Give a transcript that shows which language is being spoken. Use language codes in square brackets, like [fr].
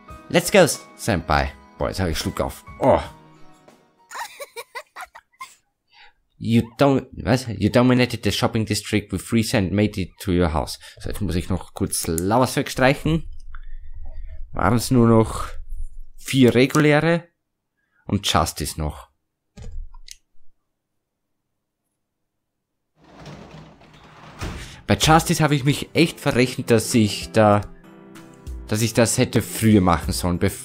[en] Let's go, Senpai. [de] Boah, jetzt habe ich Schluck auf. Oh. [en] You dominated the shopping district with free sand, made it to your house. [de] So jetzt muss ich noch kurz Lovers wegstreichen. Waren es nur noch 4 reguläre und Justice noch. Bei Justice habe ich mich echt verrechnet, dass ich das hätte früher machen sollen.